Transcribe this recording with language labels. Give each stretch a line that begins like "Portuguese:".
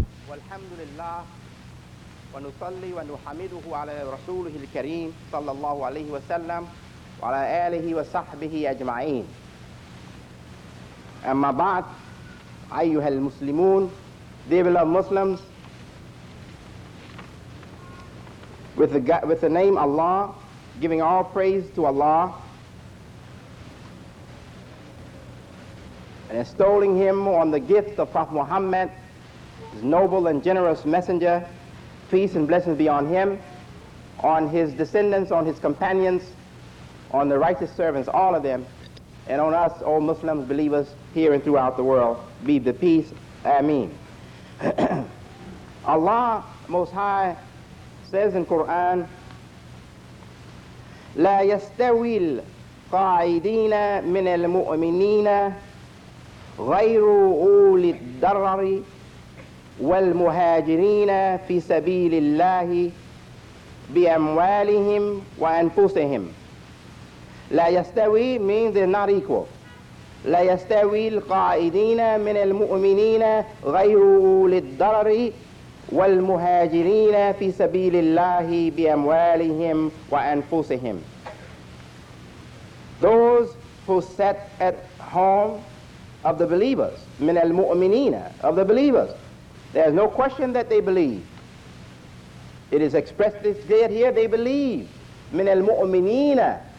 Arabic: الحمد لله ونصلي ونحمده على رسوله الكريم صلى الله عليه وسلم وعلى آله وصحبه أجمعين. أما بعد, أيها المسلمون,
English: dear beloved Muslims, with the name Allah, giving all praise to Allah and extolling him on the gift of Prophet Muhammad, his noble and generous messenger, peace and blessings be on him, on his descendants, on his companions, on the righteous servants, all of them, and on us, all Muslims, believers, here and throughout the world, be the peace. Ameen. Allah Most High says in Quran,
Arabic: لَا يَسْتَوِي الْقَاعِدِينَ مِنَ الْمُؤْمِنِينَ غَيْرُ أُولِي الضَّرَرِ والمهاجرين في سبيل الله بأموالهم وأنفسهم. لا يستوي
English: means they're not equal.
Arabic: لا يستوي القاعدين من المؤمنين غير للضرر والمهاجرين في سبيل الله بأموالهم وأنفسهم.
English: Those who sat at home of the believers,
Arabic: من المؤمنين,
English: of the believers. There's no question that they believe. It is expressed clear here, they believe.
Arabic: من المؤمنين.